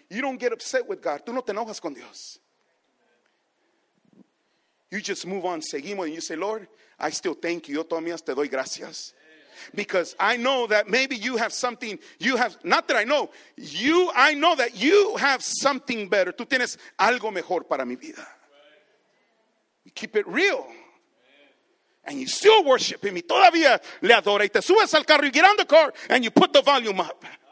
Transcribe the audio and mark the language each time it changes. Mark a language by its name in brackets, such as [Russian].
[English] You don't get upset with God. [Spanish] Tú no te enojas con Dios. [English] You just move on, [Spanish] seguimos, [English] and you say, Lord, I still thank you. [Spanish] Yo todavía te doy gracias. [English] Because I know that maybe you have something, I know that you have something better. [Spanish] Tú tienes algo mejor para mi vida. [English] You keep it real. And you still worship me. [Spanish] Todavía le adora. Y te subes al carro, [English] you get on the car, and you put the volume up.